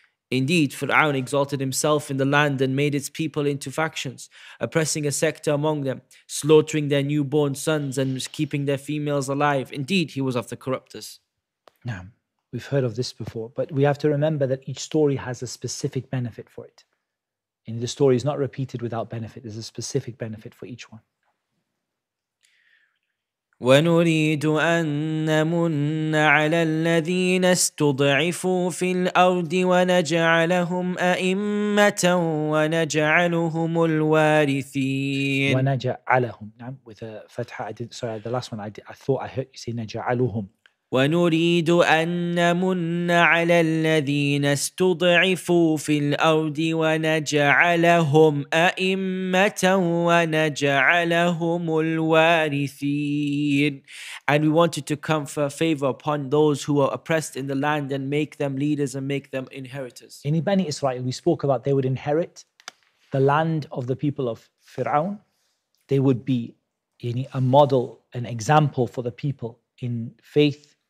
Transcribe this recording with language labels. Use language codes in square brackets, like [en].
[en] Indeed, Fir'aun exalted himself in the land and made its people into factions, oppressing a sector among them, slaughtering their newborn sons and keeping their females alive. Indeed, he was of the corruptors. Now, we've heard of this before, but we have to remember that each story has a specific benefit for it. And the story is not repeated without benefit. There's a specific benefit for each one. [ar] ونريد أن نمن على الذين استضعفوا في الأرض ونجعلهم أئمة ونجعلهم الوارثين. ونجعلهم نعم [en] with a [ar] فتحة. [en] Sorry, the last one I thought I heard you say نجعلهم. [ar] ونريد أن نمن على الذين استضعفوا في الأرض ونجعلهم أئمة ونجعلهم الوارثين. [en] And we wanted to confer favor upon those who are oppressed in the land and make them leaders and make them inheritors. In Bani Israel, we spoke about they would inherit the land of the people of Fir'aun. They would be a model, an example for the people in faith.